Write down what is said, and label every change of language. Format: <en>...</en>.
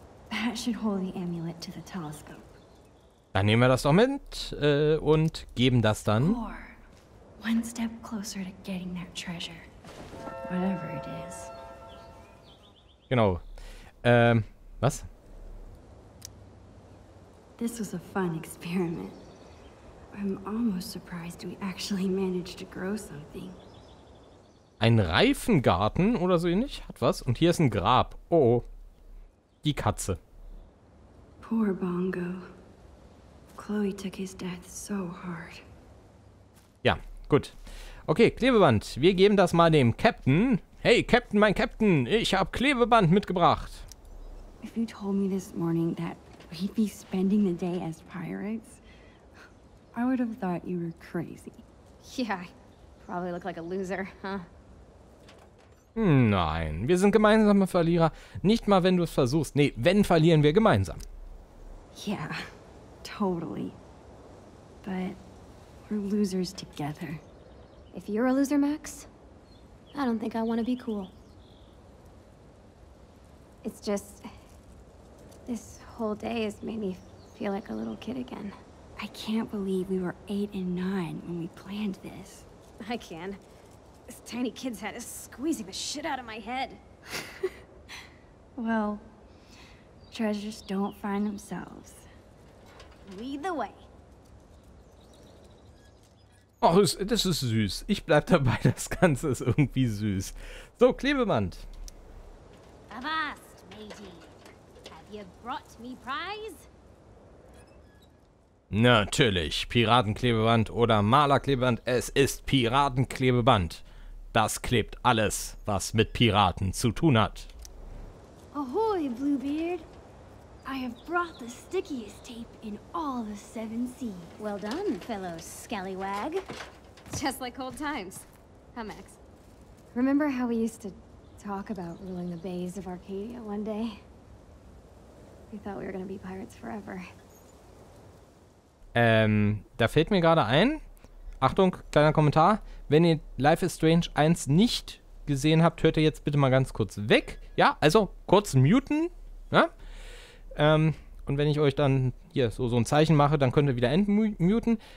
<en>That should hold the amulet to the telescope.</en> <de>Dann nehmen wir das doch mit und geben das dann.</de> <en>Or one step closer to getting that treasure. Whatever it is.</en> <de>Genau. Was?</de> <en>This was a fun experiment. I'm almost surprised we actually managed to grow something.</en> <de>Ein Reifengarten oder so ähnlich? Hat was? Und hier ist ein Grab. Oh, die Katze.</de> <en>Poor Bongo. Chloe took his death so hard.</en> <de>Ja, gut. Okay, Klebeband. Wir geben das mal dem Captain. Hey, Captain, mein Captain. Ich habe Klebeband mitgebracht.</de> <en>If you told me this morning that we'd be spending the day as pirates? I would have thought you were crazy. Yeah, I probably look like a loser, huh?</en> <de>Nein, wir sind gemeinsame Verlierer. Nicht mal, wenn du es versuchst. Nee, wenn, verlieren wir gemeinsam.</de> <en>Yeah, totally. But we're losers together. If you're a loser, Max, I don't think I want to be cool. It's just, this whole day has made me feel like a little kid again. I can't believe we were 8 and 9 when we planned this. I can. This tiny kid's head is squeezing the shit out of my head. Well, treasures don't find themselves. Lead the way.</en> <de>Oh, das ist süß. Ich bleib dabei, das Ganze ist irgendwie süß. So, Klebeband.</de> <en>Avast, matey. Have you brought me prize?</en> <de>Natürlich. Piratenklebeband oder Malerklebeband. Es ist Piratenklebeband. Das klebt alles, was mit Piraten zu tun hat.</de> <en>Ahoy, Bluebeard. I have brought the stickiest tape in all the seven seas. Well done, fellow scallywag. Just like old times. Huh, Max? Remember how we used to talk about ruling the bays of Arcadia one day? We thought we were gonna be pirates forever.</en> <de>Da fällt mir gerade ein. Achtung, kleiner Kommentar. Wenn ihr Life is Strange 1 nicht gesehen habt, hört ihr jetzt bitte mal ganz kurz weg. Ja, also kurz muten. Ja? Und wenn ich euch dann hier so ein Zeichen mache, dann könnt ihr wieder entmuten.</de>